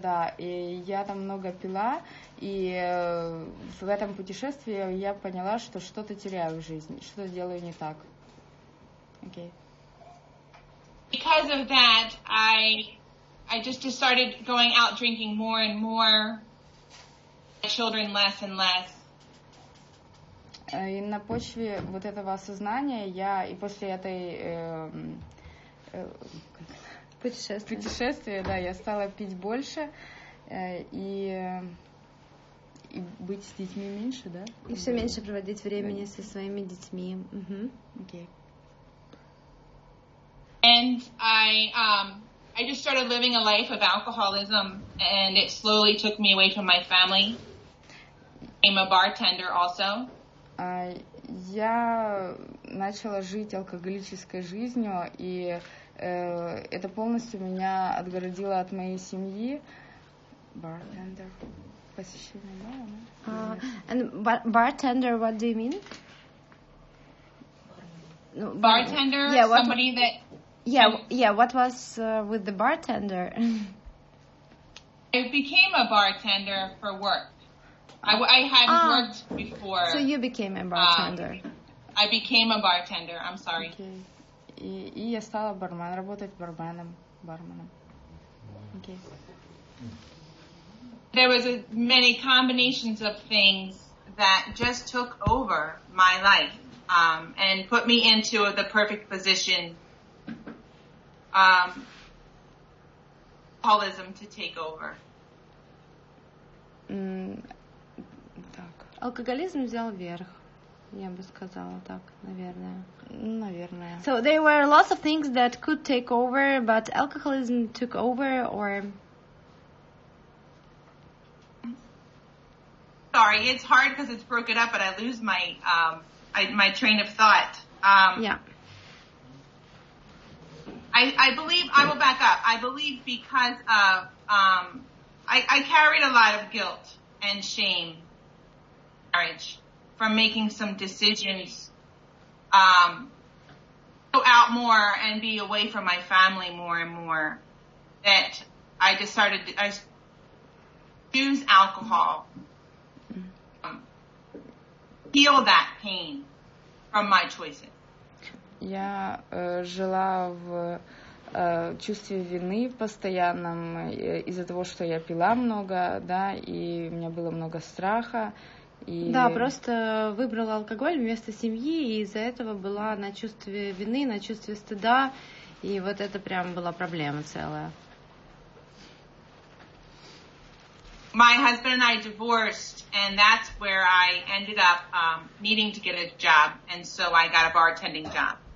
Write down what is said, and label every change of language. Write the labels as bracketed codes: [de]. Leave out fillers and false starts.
[ru] да, и я там много пила, и в этом путешествии я поняла, что что-то теряю в жизни, что-то делаю не так. [en] Okay. Because of that, I just started going out drinking more and more. Children less and less. [ru] И на почве вот этого осознания я и после этой путешествия, да, я стала пить больше и быть с детьми меньше, да? И все меньше проводить времени со своими детьми. Угу. Окей. [en] And I just started living a life of alcoholism, and it slowly took me away from my family. I'm a bartender also. [ru] Я начала жить алкоголической жизнью, и это полностью меня отгородило от моей семьи. Bartender. Посещение бара, да? [en] And bartender, what do you mean? No, bartender, yeah, somebody that... Yeah, yeah, what was with the bartender? I became a bartender for work. I hadn't worked before. So you became a bartender. I became a bartender. I'm sorry. Okay. [ru] И я стала барменом, работать барменом, барменом. [en] Okay. There was many combinations of things that just took over my life and put me into the perfect position. Alcoholism to take over. [ru] Алкоголизм взял верх, я бы сказала так, наверное. Наверное. [en] So there were lots of things that could take over, but alcoholism took over, or... Sorry, it's hard because it's broken up, but I lose my my train of thought. Yeah. I believe, I will back up, I believe because of, I carried a lot of guilt and shame. Marriage, from making some decisions, go out more and be away from my family more and more, that I decided to use alcohol, heal that pain from my choices. [ru] Я жила в чувстве вины постоянном из-за того, что я пила много, да, и у меня было много страха. Да, просто выбрала алкоголь вместо семьи, и из-за этого была на чувстве вины, на чувстве стыда, и вот это прям была проблема целая. [en] My husband and I divorced, and that's where I ended up needing to get a job, and so I got a bartending job.